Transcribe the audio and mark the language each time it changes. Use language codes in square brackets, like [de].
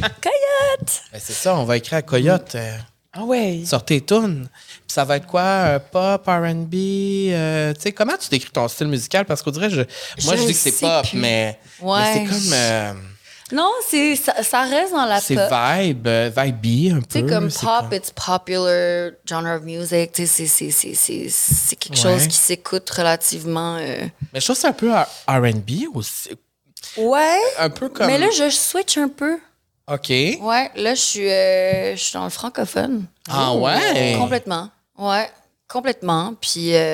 [fr] Coyote! Ben, c'est ça, on va écrire à Coyote. Ah ouais. Sortez Toon. Puis ça va être quoi? Pop, R&B? Tu sais, comment tu décris ton style musical? Parce qu'on dirait, je dis que c'est pop, mais c'est comme... Non, ça reste dans la c'est pop. C'est vibe-y un peu. Tu sais, comme pop, comme... [en] it's popular genre of music. [fr] Tu sais, c'est quelque chose qui s'écoute relativement... Mais je trouve que c'est un peu R&B aussi. Ouais. Un peu comme... Mais là, je switch un peu. OK. Ouais, là, je suis dans le francophone. Ah ouais? Complètement. Ouais, complètement. Puis...